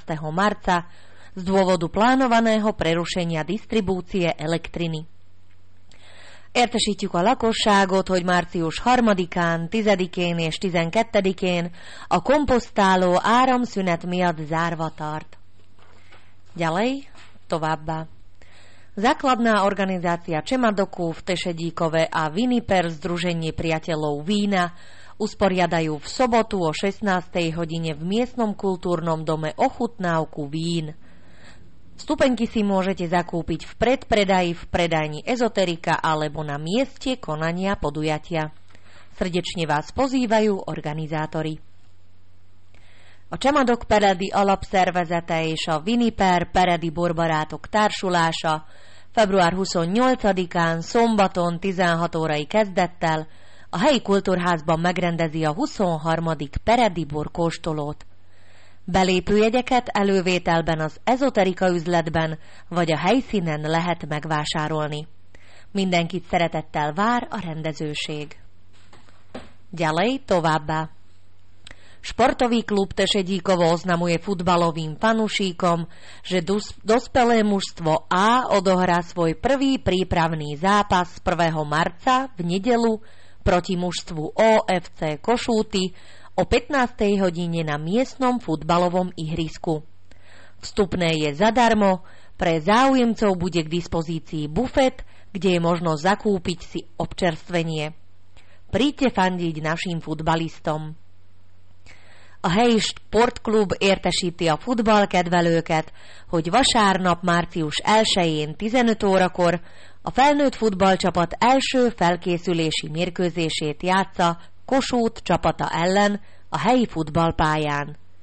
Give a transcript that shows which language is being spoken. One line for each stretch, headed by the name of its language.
Slovak: marca z dôvodu plánovaného prerušenia distribúcie elektriny.
Hungarian: Értesítjük a lakosságot, hogy március 3-án, 10-én és 12-én a komposztáló áramszünet miatt zárva tart.
Slovak: Ďalej,
Hungarian: továbbá.
Slovak: Základná organizácia Čemadoku v Tešedíkove a Viniper Združenie priateľov vína usporiadajú v sobotu o 16. hodine v miestnom kultúrnom dome ochutnávku vín. Vstupenky si môžete zakúpiť v predpredaji v predajni Ezoterika alebo na mieste konania podujatia. Srdečne vás pozývajú organizátori.
Hungarian: A Csemadok Peredi alapszervezete és a Viniper Peredi Borbarátok társulása február 28-án szombaton 16 órai kezdettel a helyi kultúrházban megrendezi a 23. Peredi Bor kóstolót. Belépőjegyeket elővételben az Ezoterika üzletben vagy a helyszínen lehet megvásárolni. Mindenkit szeretettel vár a rendezőség. Gyalej továbbá!
Slovak: Športový klub Tešedíkovo oznamuje futbalovým fanušíkom, že dospelé mužstvo A odohrá svoj prvý prípravný zápas 1. marca v nedeľu proti mužstvu OFC Košúty o 15. hodine na miestnom futbalovom ihrisku. Vstupné je zadarmo, pre záujemcov bude k dispozícii bufet, kde je možno zakúpiť si občerstvenie. Príďte fandiť našim futbalistom.
Hungarian: A helyi sportklub értesíti a futballkedvelőket, hogy vasárnap március 1-én 15 órakor a felnőtt futballcsapat első felkészülési mérkőzését játsza Kossuth csapata ellen a helyi futballpályán.